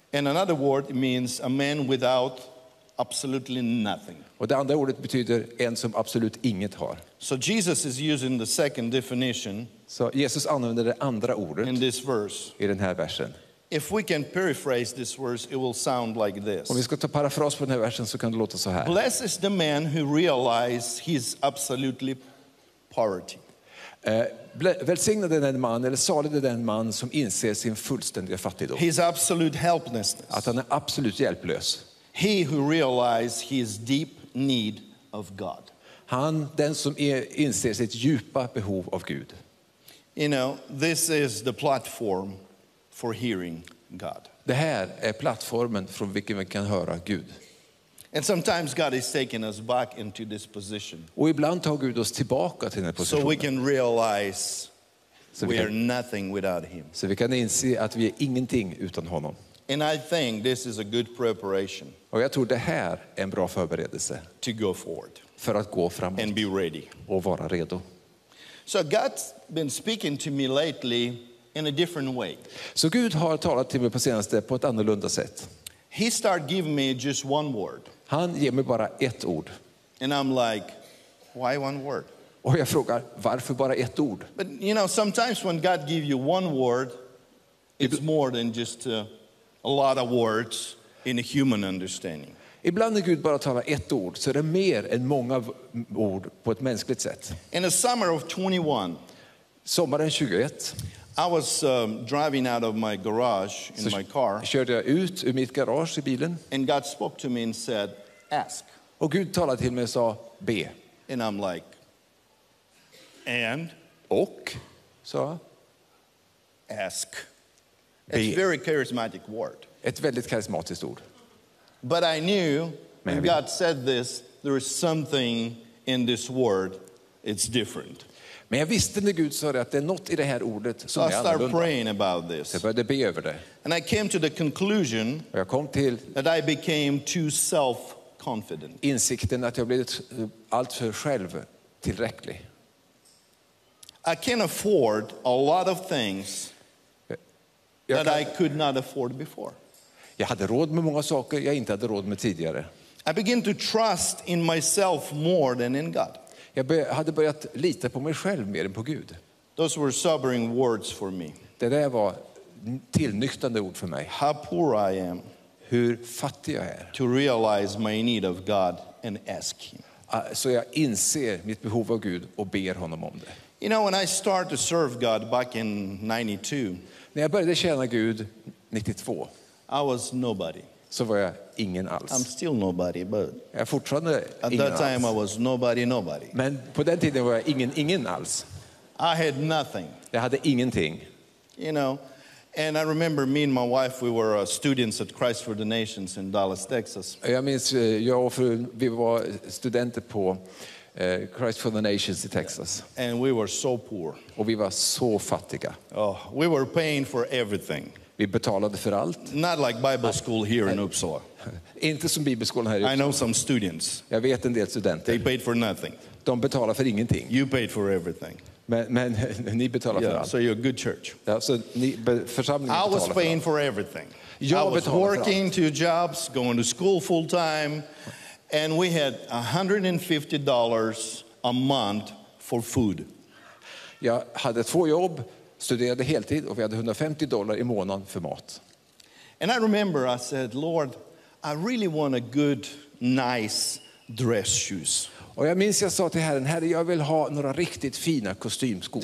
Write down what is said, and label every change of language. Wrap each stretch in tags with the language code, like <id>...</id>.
<en>And another word means a man without absolutely nothing.</en> <sv>Och det andra ordet betyder en som absolut inget har.</sv> <en>So Jesus is using the second definition.</en> <sv>Så Jesus använder det andra ordet.</sv> <en>In this verse.</en> <sv>I den här versen.</sv> <en>If we can paraphrase this verse, it will sound like this.</en> <sv>Om vi ska ta parafras på den här versen så kan det låta så här.</sv> <en>Blessed is the man who realizes his absolutely poverty.</en> <sv>Välsignad är den man eller salig är den man som inser sin fullständiga fattigdom.</sv> <en>His absolute helplessness.</en> <sv>Att han är absolut hjälplös.</sv> <en>He who realizes his deep need of God.</en> <sv>Han, den som inser sitt djupa behov av Gud.</sv> <en>You know, this is the platform for hearing God.</en> <sv>Det här är plattformen från vilken vi kan höra Gud.</sv> <en>And sometimes God is taking us back into this position.</en> <sv>Och ibland tar Gud oss tillbaka till den positionen.</sv> <en>So we can realize we are nothing without him.</en> <sv>Så vi kan inse att vi är ingenting utan honom.</sv> <en>And I think this is a good preparation.</en> <sv>Och jag tror det här är en bra förberedelse.</sv> <en>To go forward.</en> <sv>För att gå framåt.</sv> <en>And be ready.</en> <sv>Och vara redo.</sv> <en>So God's been speaking to me lately in a different way.</en> <sv>Så Gud har talat till mig på senaste på ett annorlunda sätt.</sv> <en>He started giving me just one word.</en> <sv>Han ger mig bara ett ord.</sv> <en>And I'm like, why one word?</en> <sv>Och jag frågar, varför bara ett ord?</sv> <en>But you know, sometimes when God gives you one word, it's more than just a lot of words in a human understanding.</en> <sv>Ibland när Gud bara talar ett ord så är det mer än många ord på ett mänskligt sätt.</sv> <en>In the summer of 21.</en> <sv>Sommaren 21.</sv> <en>I was driving out of my garage in my car.</en> <sv>Körde jag ut ur mitt garage I bilen.</sv> <en>And God spoke to me and said, ask.</en> <sv>Och Gud talade till mig och sa, be.</sv> <en>And I'm like, and?</en> <sv>Och, sa</sv> <en>ask. It's a very charismatic word.</en> <sv>Ett väldigt karismatiskt ord.</sv> <en>But I knew when God said this, there is something in this word. It's different.</en> <sv>Men jag visste när Gud sa det att det är något i det här ordet som</sv> <en>so</en> <sv>är annorlunda.</sv> <en>I started praying about this.</en> <sv>Jag började be över det.</sv> <en>And I came to the conclusion that I became too self-confident.</en> <sv>Insikten att jag blivit allt för självtillräcklig.</sv> <en>I can afford a lot of things that I could not afford before.</en> <sv>Jag hade råd med många saker jag inte hade råd med tidigare.</sv> <en>I begin to trust in myself more than in God.</en> <sv>Jag hade börjat lita på mig själv mer än på Gud.</sv> <en>Those were sobering words for me.</en> <sv>Det där var tillnyktrande ord för mig.</sv> <en>How poor I am.</en> <sv>Hur fattig jag är.</sv> <en>To realize my need of God and ask him.</en> <sv>Så jag inser mitt behov av Gud och ber honom om det.</sv> <en>You know, when I started to serve God back in 92.</en> <sv>När jag började tjäna Gud 92.</sv> <en>I was nobody.</en> <sv>Så var jag ingen alls.</sv> <en>I'm still nobody, but</en> <sv>jag fortfarande</sv> <en>at that time</en> <sv>alls.</sv> <en>I was nobody.</en> <sv>Men på den tiden var jag ingen alls.</sv> <en>I had nothing.</en> <sv>Jag hade ingenting.</sv> <en>You know, and I remember me and my wife, we were students at Christ for the Nations in Dallas, Texas.</en> <sv>Jag minns jag och fru, vi var studenter på Christ for the Nations in Texas.</sv> <en>And we were so poor.</en> <sv>Och vi var så fattiga.</sv> <en>Oh, we were paying for everything.</en> <sv>Vi betalade för allt.</sv> <en>Not like Bible school here in Uppsala.</en> <sv>Inte som bibelskolan här i Uppsala.</sv> <en>I know some students.</en> <sv>Jag vet en del studenter.</sv> <en>They paid for nothing.</en> <sv>De betalar för ingenting.</sv> <en>You paid for everything.</en> <sv>Men ni betalar för allt.</sv> <en>So you're a good church.</en> <sv>Ja, så ni församlingen betalar.</sv> <en>I was paying for everything.</en> <sv>Jag</sv> <en>was working two jobs, going to school full time, and we had $150 a month for food.</en> <sv>Jag hade två jobb. Studerade heltid och vi hade $150 i månaden för mat.</sv> <en>And I remember I said, Lord, I really want a good, nice dress shoes.</en> <sv>Och jag minns jag sa till Herren, Herre, jag vill ha några riktigt fina kostymskor.</sv>